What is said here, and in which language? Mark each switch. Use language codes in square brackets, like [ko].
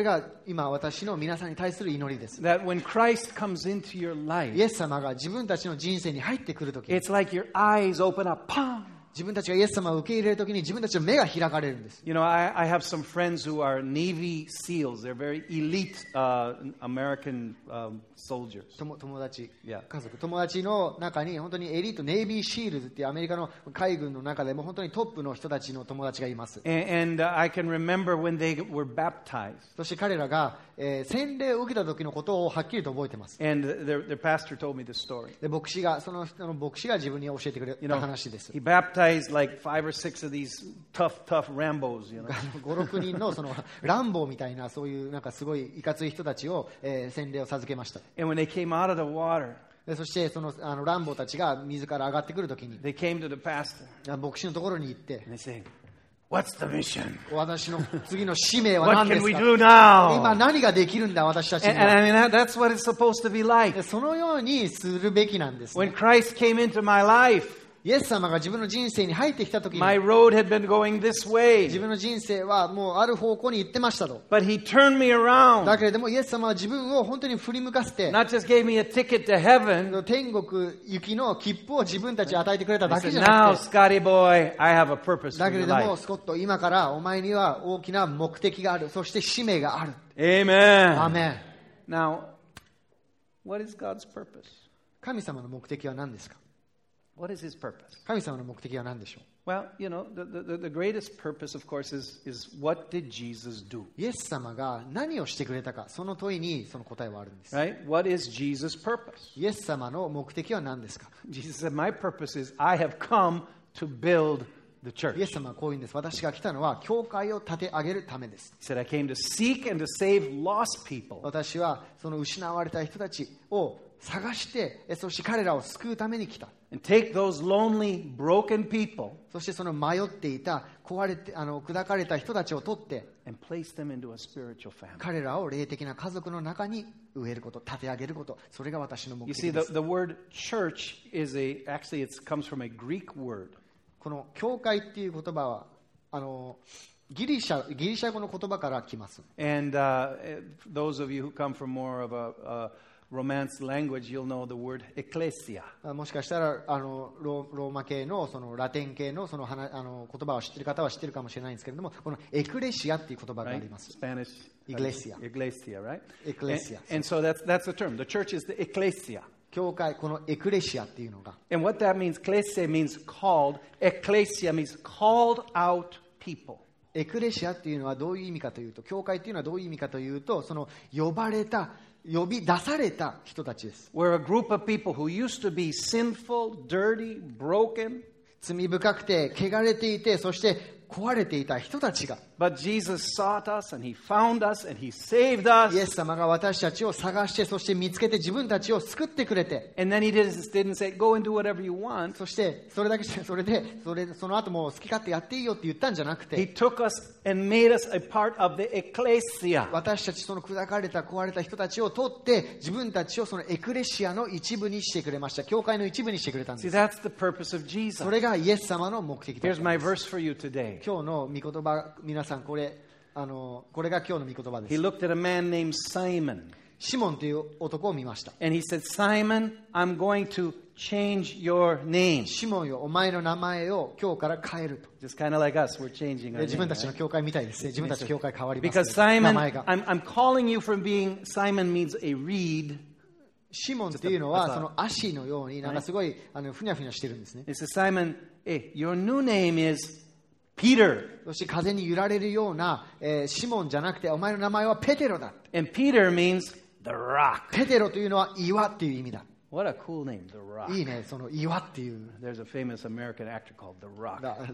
[ja] それが今私の皆さんに対する祈りです。 [en] That when Christ comes into your life, [ja] イエス様が自分たちの人生に入ってくるとき、 [en] It's like your eyes open up, pow! [ja] 自分たちがイエス様を受け入れるときに自分たちの目が開かれるんです。 [en] You know, I have some friends who are Navy SEALs. They're very elite American soldiers. [ja] 友達、家族、友達の中に本当にエリート、ネイビーシールズっていうアメリカの海軍の中でも本当にトップの人たちの友達がいます。 [en] And I can remember when they were baptized. [ja] そして彼らが洗礼を受けた時のことをはっきりと覚えてます。 [en] And their pastor told me this story. [ja] で、牧師が、その人の牧師が自分に教えてくれた話です。 [en] He baptized like five or six of these tough Rambos, you know. [ja] 5、6人のそのランボーみたいな、そういうなんかすごいいかつい人たちを洗礼を授けました。 [en] And when they came out of the water, [ja] そしてそのあのランボーたちが水から上がってくるときに、 [en] they came to the pastor. [ja] 牧師のところに行って、 [en] they said,What's the mission? [ja] 私の次の使命は何ですか [en] What can we do now? [ja] 今何ができるんだ私たちには [en] and, and I mean, that's what it's supposed to be like. [ja] そのようにするべきなんですね。 [en] When Christ came into my life, [ja] イエス様が自分の人生に入ってきた時に [en] my road had been going this way. [ja] 自分の人生はもうある方向に行ってましたと。 [en] But he turned me around. [ja] だけれどもイエス様は自分を本当に振り向かせて [en] Not just gave me a ticket to heaven. [ja] 天国行きの切符を自分たちに与えてくれただけじゃなくて [en] Now, Scotty boy, I have a purpose for your life. [ja] だけれどもスコット、今からお前には大きな目的がある。そして使命がある。 [en] Amen. Amen. Now, what is God's purpose? [ja] 神様の目的は何ですか？ [en] What is his purpose? [ja] 神様の目的は何でしょう? [en] Well, you know, the greatest purpose, of course, is what did Jesus do? [ja] イエス様が何をしてくれたか、その問いにその答えはあるんです。 [en] Right? What is Jesus' purpose? [ja] イエス様の目的は何ですか? [en] Jesus said, "My purpose is I have come to build the church." [ja] イエス様はこう言うんです。私が来たのは教会を立て上げるためです。 [en] He said, "I came to seek and to save lost people." [ja] 私はその失われた人たちを探して、そして彼らを救うために来た。 [en] And take those lonely, broken people, [ja] そしてその迷っていた、壊れて、砕かれた人たちを取って、 [en] and place them into a spiritual family. [ja] 彼らを霊的な家族の中に植えること、立て上げること、それが私の目的です。 [en] You see, the word church is a, actually it comes from a Greek word. [ja] この教会っていう言葉は、ギリシャ語の言葉から来ます。 [en] And those of you who come from more of a Romance language, you'll know the word ecclesia. [ja] もしかしたらローマ系のそのラテン系のその話言葉を知っている方は知っているかもしれないんですけれども、このエクレシアっていう言葉があります。 [en] Right? Spanish. [es] Iglesia. [en] Iglesia, right? Ecclesia. And so that's the term. The church is the ecclesia. [ja] 教会このエクレシアっていうのが。 [en] And what that means, ecclesia means called. Ecclesia means called out people. [ja] エクレシアっていうのはどういう意味かというと、教会っていうのはどういう意味かというと、その呼ばれた、呼び出された人たちです。 [en] We're a group of people who used to be sinful, dirty, broken. [ja] 罪深くて、汚れていて、そして壊れていた人たちが。 [en] But Jesus sought us and he found us and he saved us. [ja] イエス様が私たちを探して、そして見つけて自分たちを救ってくれて。 [en] And then he didn't say, go and do whatever you want. [ja] そして、それだけじゃ、それで、それ、その後も好き勝手やっていいよって言ったんじゃなくて。 [en] He took us and made us a part of the ecclesia. [ja] 私たちその砕かれた、壊れた人たちを取って、自分たちをそのエクレシアの一部にしてくれました。教会の一部にしてくれたんです。 [en] See, that's the purpose of Jesus. [ja] それがイエス様の目的だったんです。 [en] Here's my verse for you today. [ja] 今日の御言葉、皆さんこれが今日の御言葉です。 [en] He looked at a man named Simon. [ja] シモンという男を見ました。 [en] And he said, Simon, I'm going to change your name. [ja] シモンよ、お前の名前を今日から変えると。 [en] Just kind of like us, we're changing our name. [ja] 自分たちの教会みたいですね。自分たちの教会変わります。 [en] Because Simon, I'm calling you from being Simon means a reed. [ja] シモンっていうのはその足のようになんかすごいふにゃふにゃしてるんですね。 [en] He said, Simon, your new name is. Peter. [ja] そして風に揺られるような、シモンじゃなくてお前の名前はペテロだ。 [en] And Peter means the rock. [ja] ペテロというのは岩っていう意味だ。 [en] What a cool name, The Rock. [ja] いいね、その岩っていう。 [en] There's a famous American actor called The Rock.